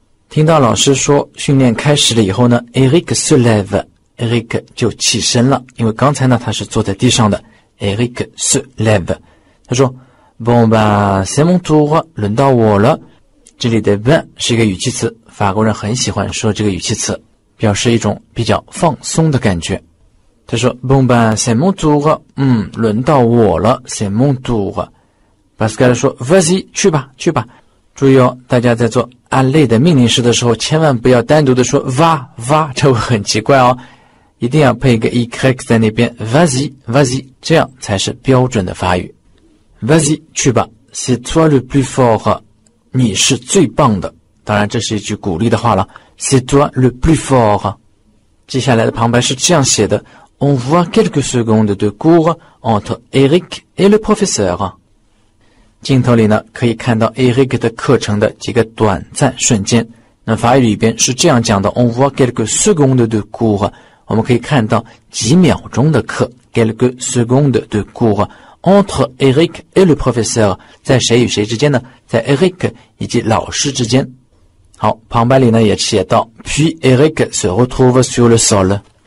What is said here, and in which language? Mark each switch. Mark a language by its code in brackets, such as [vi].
[zh] 听到老师说训练开始了以后呢 [fr] Eric se lève [zh] Eric 就起身了因为刚才呢他是坐在地上的 Eric se lève 他说 [fr] Bon bah c'est mon tour [zh] 轮到我了这里的 ben 是一个语气词法国人很喜欢说这个语气词表示一种比较放松的感觉他说 Bon bah [fr] c'est mon tour [zh] 轮到我了 c'est mon tour Pascal 说 Vas-y 去吧去吧注意哦大家在做阿累的命令式的时候千万不要单独的说哇哇这会很奇怪哦一定要配个 ex 在那边 [fr] vas-y, vas-y, [zh] 这样才是标准的法语。 [fr] vas-y, [zh] 去吧 [fr] c'est toi le plus fort, [zh] 你是最棒的。当然这是一句鼓励的话了 [fr] c'est toi le plus fort。 [zh] 接下来的旁白是这样写的 [fr] on voit quelques secondes de cours entre Eric et le professeur。 [zh] 镜头里呢可以看到 Eric 的课程的几个短暂瞬间。那法语里边是这样讲的 [fr] on voit quelques secondes de cours, [zh] 我们可以看到几秒钟的课 [fr] quelques secondes de cours entre Eric et le professeur [zh] 在谁与谁之间呢在 Eric 以及老师之间好旁白里呢也写到 [fr] puis Eric se retrouve sur le sol